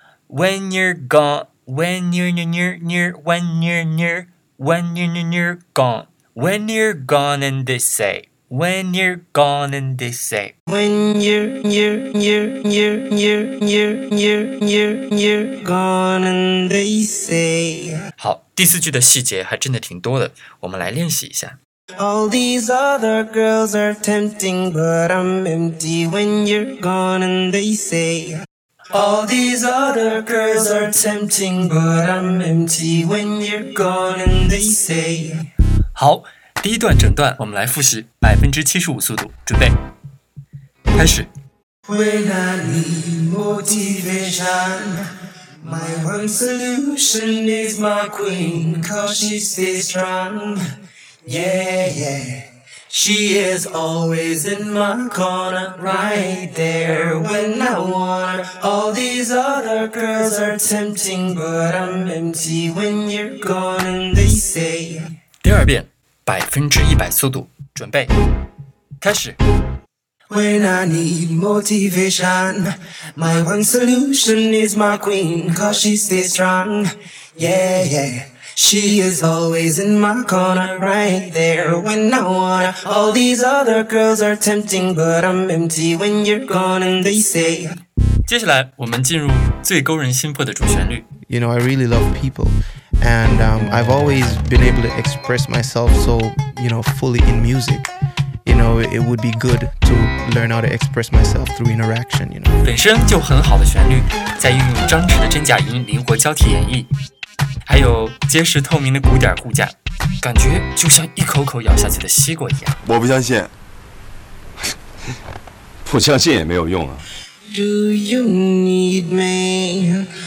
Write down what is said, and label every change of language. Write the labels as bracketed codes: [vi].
[en] When you're gone, when you're near, near, near, when you're near, when you're near, near, gone. When you're gone and they say, when you're gone and they say. When you're near, near, near, near, near, near, near, near, gone and they say. [zh] 好，第四句的细节还真的挺多的，我们来练习一下。 [en] All these other girls are tempting, but I'm empty when you're gone and they say. All these other girls are tempting, but I'm empty when you're gone and they say. [zh] 好，第一段整段我们来复习 75% 速度，准备，开始。 [en] When I need motivation, my one solution is my queen, cause she stays strong, yeah, yeah. She is always in my corner, right there when I want her. All these other girls are tempting, but I'm empty when you're gone and they say. [zh] 第二遍，100%速度，准备，开始。 [en] When I need motivation, my one solution is my queen, cause she stays strong, yeah, yeah. She is always in my corner, right there when I wanna. All these other girls are tempting, but I'm empty when you're gone, and they say. [zh] 接下来，我们进入最勾人心魄的主旋律。 [en] You know, I really love people, and I've always been able to express myself so, you know, fully in music. You know, it would be good to learn how to express myself through interaction, you know. [zh] 本身就很好的旋律，再运用张弛的真假音灵活交替演绎，还有结实透明的鼓点骨架，感觉就像一口口咬下去的西瓜一样。我不相信，不相信也没有用啊。 [en] Do you need me?